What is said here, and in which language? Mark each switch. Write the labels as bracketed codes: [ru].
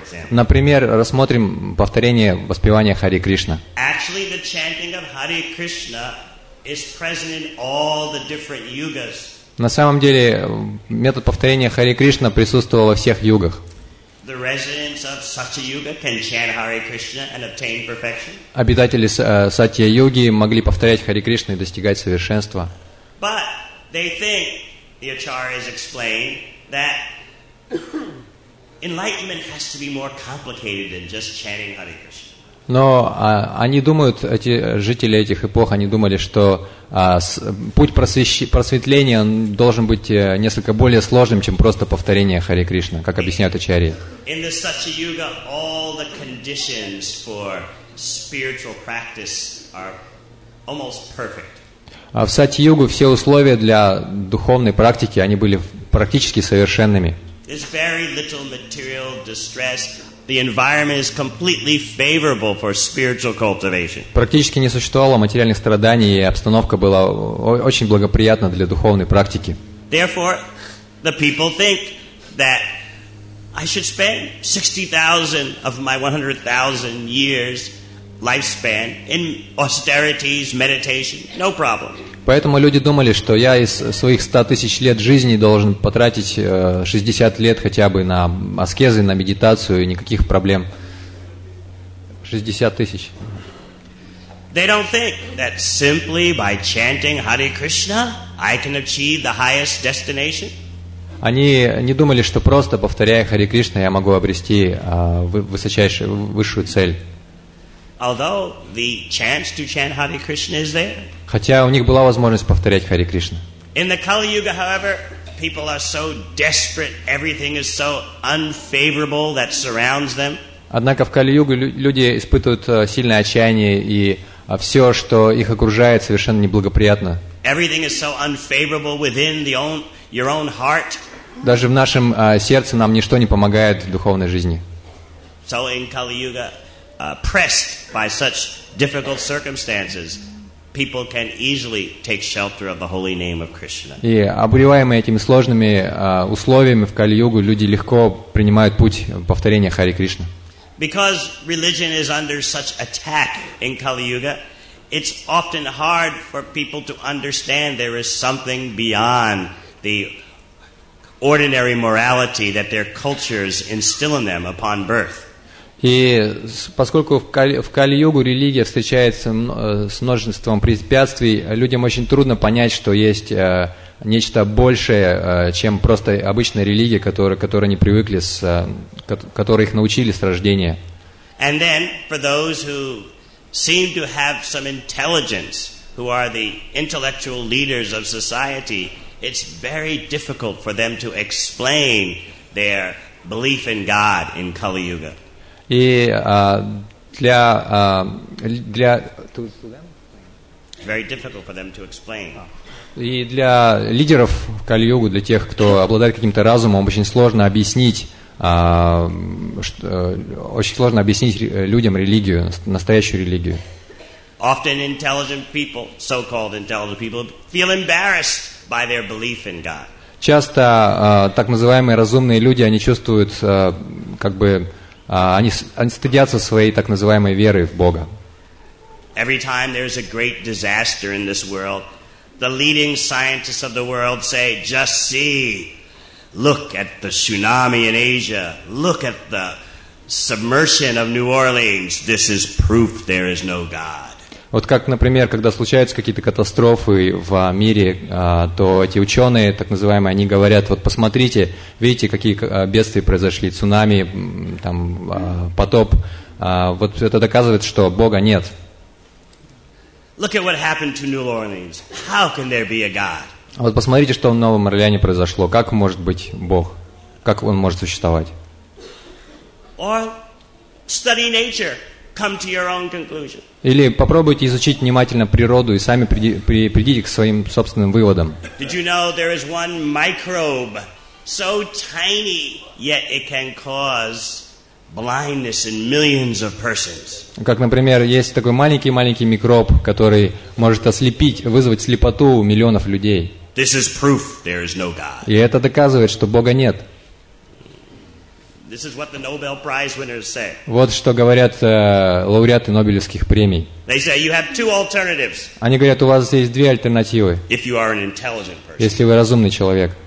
[ru] Например, рассмотрим повторение воспевания Харе Кришна. [en] Actually, the chanting of Hare Krishna is present in all the different yugas. [ru] На самом деле, метод повторения Харе Кришна присутствовал во всех югах. [en] The residents of Satya-yuga can chant Hare Krishna and obtain perfection. [ru] Обитатели Сатья-юги могли повторять Харе Кришну и достигать совершенства. [en] But they think, the acharyas explain, that enlightenment has to be more complicated than just chanting Hare Krishna. [ru] Но они думают, эти жители этих эпох, они думали, что путь просветления должен быть несколько более сложным, чем просто повторение Харе Кришна, как объясняют ачарьи. [en] In the Satya-yuga, all the conditions for spiritual practice are almost perfect. [ru] В Сатья-югу все условия для духовной практики, они были практически совершенными. [en] There's very little material distress. The environment is completely favorable for spiritual cultivation. [ru] Практически не существовало материальных страданий, и обстановка была очень благоприятна для духовной практики. [en] Therefore, the people think that I should spend 60,000 of my 100,000 years lifespan in austerities, meditation. No problem. [ru] Поэтому люди думали, что я из своих 100,000 лет жизни должен потратить 60 лет хотя бы на аскезы, на медитацию, никаких проблем. [en] 60,000. They don't think that simply by chanting Hare Krishna I can achieve the highest destination. [ru] Они не думали, что просто повторяя Харе Кришна я могу обрести высочайшую, высшую цель. [en] Although the chance to chant Hare Krishna is there. [ru] Хотя у них была возможность повторять Харе Кришна. [en] In the Kali Yuga, however, people are so desperate, everything is so unfavorable that surrounds them. [ru] Однако в Кали-Югу люди испытывают сильное отчаяние, и все, что их окружает, совершенно неблагоприятно. [en] Everything is so unfavorable within your own heart. [ru] Даже в нашем сердце нам ничто не помогает в духовной жизни. [en] So in Kali Yuga, pressed by such difficult circumstances, people can easily take shelter of the holy name of Krishna. [ru] И обуреваемые этими сложными условиями в Кали-Югу люди легко принимают путь повторения Харе Кришна. [en] Because religion is under such attack in Kali-Yuga, it's often hard for people to understand there is something beyond the ordinary morality that their cultures instill in them upon birth. [ru] И поскольку в Кали-Югу религия встречается с множеством препятствий, людям очень трудно понять, что есть нечто большее, чем просто обычная религия, которые не привыкли, которые их научили с рождения. [en] And then for those who seem to have some intelligence, who are the intellectual leaders of society, it's very difficult for them to explain their belief in God in Kali Yuga. [ru] И для [en] very difficult for them to explain. [ru] И для лидеров Кали-Югу, для тех, кто обладает каким-то разумом, очень сложно объяснить, очень сложно объяснить людям религию, настоящую религию. [en] Often intelligent people, so-called intelligent people, feel embarrassed by their belief in God. [ru] Часто так называемые разумные люди, они чувствуют, как бы, они стыдятся своей так называемой веры в Бога. [en] Every time there's a great disaster in this world, the leading scientists of the world say, just see, look at the tsunami in Asia, look at the submersion of New Orleans, this is proof there is no God. [ru] Вот как, например, когда случаются какие-то катастрофы в мире, то эти ученые, так называемые, они говорят, вот посмотрите, видите, какие бедствия произошли, цунами, там, потоп. Вот это доказывает, что Бога нет. [en] Look at what happened to New Orleans. How can there be a God? [ru] Вот посмотрите, что в Новом Орлеане произошло. Как может быть Бог? Как Он может существовать? [en] Or study nature. Come to your own conclusion. [ru] Или попробуйте изучить внимательно природу и сами придите к своим собственным выводам. [en] Did you know there is one microbe so tiny yet it can cause blindness in millions of persons? [ru] Как, например, есть такой маленький микроб, который может вызвать слепоту у миллионов людей. [en] This is proof there is no God. [ru] И это доказывает, что Бога нет. [en] This is what the Nobel Prize winners say. [ru] Вот что говорят лауреаты Нобелевских премий. [en] They say you have two alternatives. [ru] Они говорят, у вас есть две альтернативы. [en] If you are an intelligent person. [ru] Если вы разумный человек.